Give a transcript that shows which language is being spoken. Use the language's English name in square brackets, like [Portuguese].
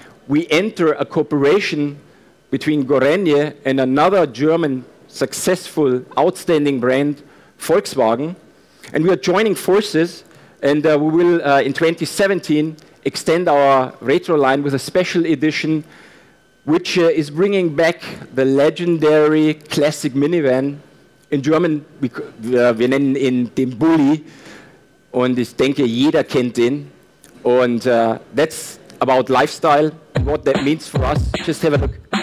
[English] we enter a cooperation between Gorenje and another German successful, outstanding brand, Volkswagen, and we are joining forces, and we will, in 2017, extend our retro line with a special edition, which is bringing back the legendary classic minivan. In German, we [German] nennen ihn den Bulli, und ich denke, jeder kennt ihn. [English] And that's about lifestyle and what that means for us. Just have a look.